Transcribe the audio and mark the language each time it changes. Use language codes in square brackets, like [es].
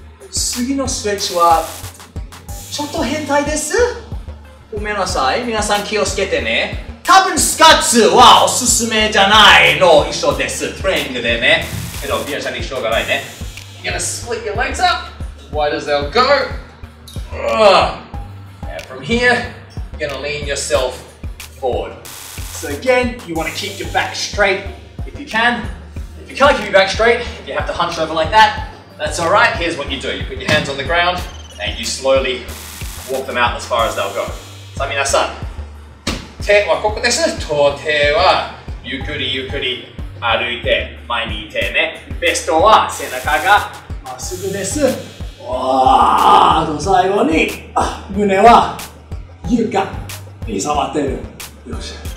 [ja] 次のストレッチは、ちょっと変態です。ごめんなさい。皆さん気をつけてね。多分スカッツはおすすめじゃないの一緒です。トレーニングでね。けど、ビアちゃんにしょうがないね。 [en] You gotta split your legs up. Wide as they'll go. And from here, you're gonna lean yourself forward. So again, you wanna keep your back straight if you can. If you can't keep your back straight, if you have to hunch over like that, that's all right. Here's what you do. You put your hands on the ground and you slowly walk them out as far as they'll go. [ja] さあ皆さん、手はここです。と手はゆっくりゆっくり歩いて前にいてね。ベストは背中がまっすぐです。あと最後に胸は床に触ってる。よし。